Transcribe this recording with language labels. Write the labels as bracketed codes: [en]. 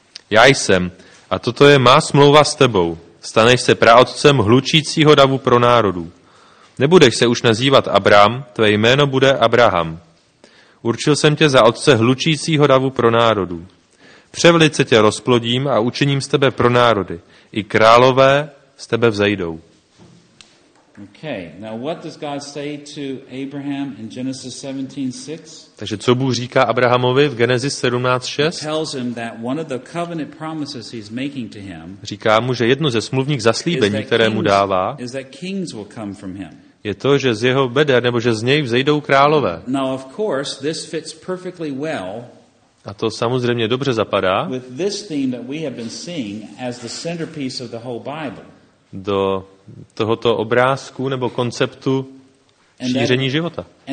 [cs] Já jsem a toto je má smlouva s tebou. Staneš se praotcem hlučícího davu pro národů. Nebudeš se už nazývat Abram, tvé jméno bude Abraham. Určil jsem tě za otce hlučícího davu pro národů. Převelice tě rozplodím a učiním z tebe pro národy. I králové z tebe vzejdou. [en] Okay. Now what does God say to Abraham in Genesis 17:6? [cs] Takže co Bůh říká Abrahamovi v Genesis 17:6? [en] He tells him that one of the covenant promises he's making to him. [cs] Říká mu, že jedno ze smluvních zaslíbení, které mu dává, [en] is that kings will come from him. [cs] Je to, že z jeho beder nebo že z něj vzejdou králové. [en] Now of course this fits perfectly well. [cs] A to samozřejmě dobře zapadá [en] with this theme that we have been seeing as the centerpiece of the whole Bible. [cs] Do tohoto obrázku nebo konceptu šíření života.